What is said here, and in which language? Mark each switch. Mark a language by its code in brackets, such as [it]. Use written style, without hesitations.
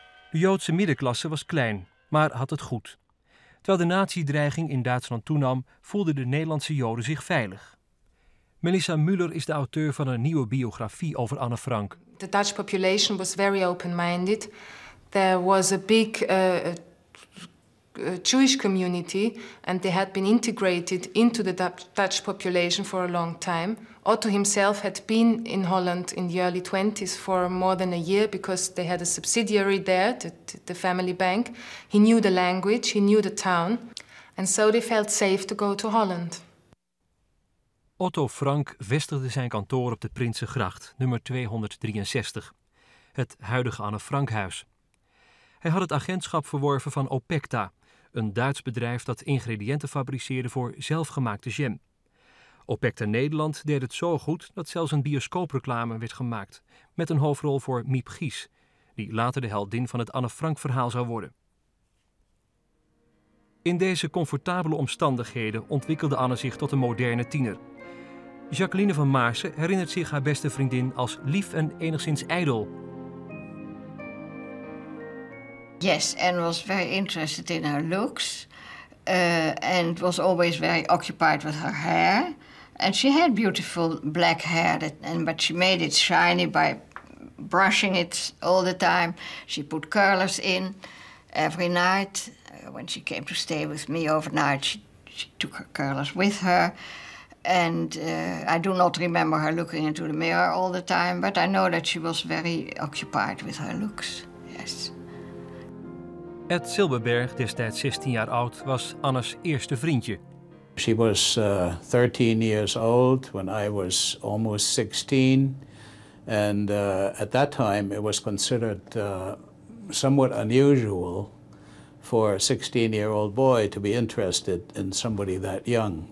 [nl] De Joodse middenklasse was klein, maar had het goed. Terwijl de nazi-dreiging in Duitsland toenam, voelden de Nederlandse Joden zich veilig. Melissa Müller is de auteur van een nieuwe biografie over Anne Frank. [en] The Dutch population was very open-minded. There was a big Jewish community and they had been integrated into the Dutch population for a long time. Otto himself had been in Holland in the early 20s for more than a year because they had a subsidiary there, the family bank. He knew the language, he knew the town, and so they felt safe to go to Holland. [nl] Otto Frank vestigde zijn kantoor op de Prinsengracht, nummer 263, het huidige Anne Frankhuis. Hij had het agentschap verworven van Opecta, een Duits bedrijf dat ingrediënten fabriceerde voor zelfgemaakte jam. Opecta Nederland deed het zo goed dat zelfs een bioscoopreclame werd gemaakt, met een hoofdrol voor Miep Gies, die later de heldin van het Anne Frank verhaal zou worden. In deze comfortabele omstandigheden ontwikkelde Anne zich tot een moderne tiener. Jacqueline van Maarsen herinnert zich haar beste vriendin als lief en enigszins ijdel. [en] Yes, and was very interested in her looks. And was always very occupied with her hair. And she had beautiful black hair, but she made it shiny by brushing it all the time. She put curlers in every night. When she came to stay with me overnight, she took her curlers with her. And I do not remember her looking into the mirror all the time, but I know that she was very occupied with her looks, yes. [nl] Ed Silberberg, destijds 16 jaar oud, was Anna's eerste vriendje. [en] She was 13 years old when I was almost 16. And at that time it was considered somewhat unusual for a 16-year-old boy to be interested in somebody that young.